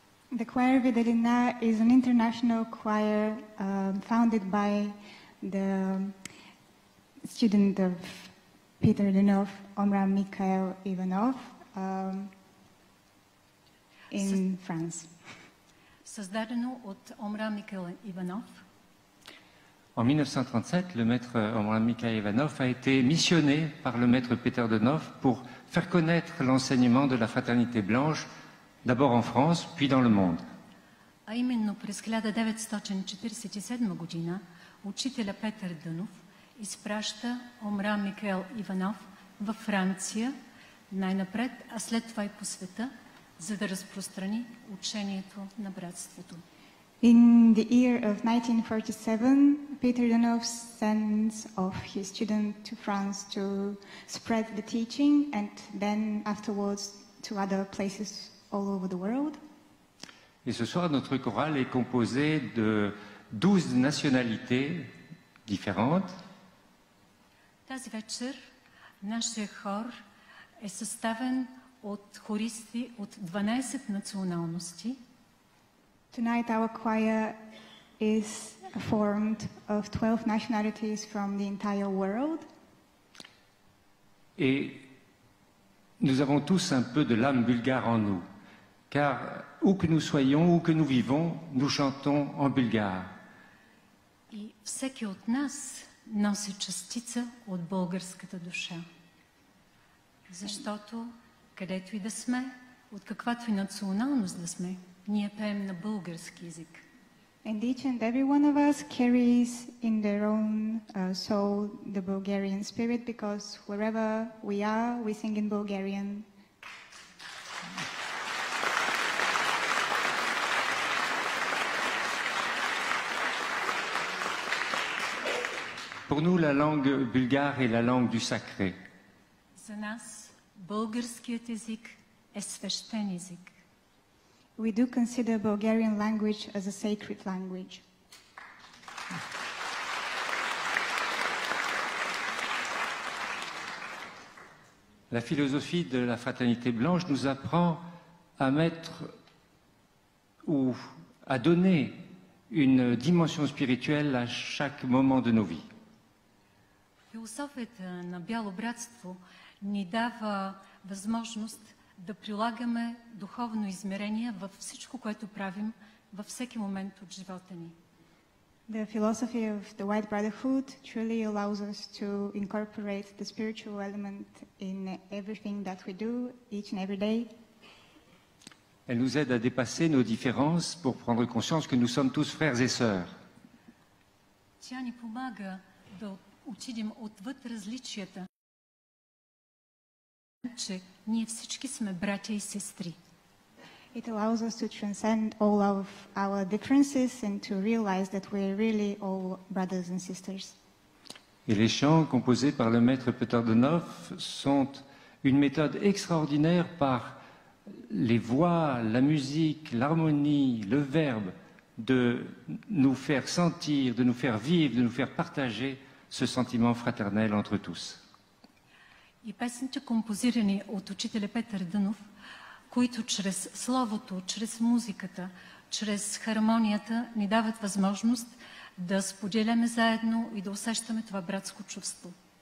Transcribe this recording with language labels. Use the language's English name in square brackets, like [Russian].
[English] The choir Videlina is an international choir founded by the student of Peter Deunov, Omraam Mikhail Ivanov, in France. [Bulgarian] Създадено от Omraam Mikhail Ivanov. [French] En 1937, le maître Omraam Mikhail Ivanov a été missionné par le maître Peter Deunov pour faire connaître l'enseignement de la Fraternité Blanche d'abord en France, puis dans le monde. [Bulgarian] А именно през 1947 година учителя Петър Дънов изпраща Омраам Микаел Иванов във Франция най-напред, а след това и по света, за да разпространи учението на братството. [English] In the year of 1947, Peter Deunov sends off his student to France to spread the teaching and then afterwards to other places all over the world. [French] Et ce soir, notre chorale est composée de 12 nationalités différentes. [Bulgarian] Тази вечер нашия хор е съставен от хористи от 12 националности. [English] Tonight our choir is formed of 12 nationalities from the entire world. [French] Et nous avons tous un peu de l'âme bulgare en nous, car où que nous soyons, où que nous vivons, nous chantons en bulgare. [Bulgarian] И всеки от нас носи частица от българската душа. Защото където и да сме, от каквато и националност да сме, ние пеем на български език. [English] And each and every one of us carries in their own soul the Bulgarian spirit, because wherever we are, we sing in Bulgarian. [French] Pour nous, la langue bulgare est la langue du sacré. [Bulgarian] За нас българският език е свещен език. [English] We do consider Bulgarian language as a sacred language. [French] La philosophie de la fraternité blanche nous apprend à mettre ou à donner une dimension spirituelle à chaque moment de nos vies. [Bulgarian] Философията на бяло братство ни дава възможност да прилагаме духовно измерение във всичко, което правим, във всеки момент от живота ни. [English] The philosophy of the White Brotherhood truly allows us to incorporate the spiritual element in everything that we do, each and every day. [French] Elle nous aide à dépasser nos différences pour prendre conscience que nous sommes tous frères et sœurs. [Bulgarian] Тя ни помага да отидем отвъд различията, че ние всички сме братя и сестри. [English] It allows us to transcend all of our differences and to realize that we're really all brothers and sisters. [French] Et les chants composés par le maître Peter Deunov sont une méthode extraordinaire par les voix, la musique, l'harmonie, le verbe de nous faire sentir, de nous faire vivre, de nous faire partager ce sentiment fraternel entre tous. [Bulgarian] И песните, композирани от учителя Петър Дънов, които чрез словото, чрез музиката, чрез хармонията ни дават възможност да споделяме заедно и да усещаме това братско чувство.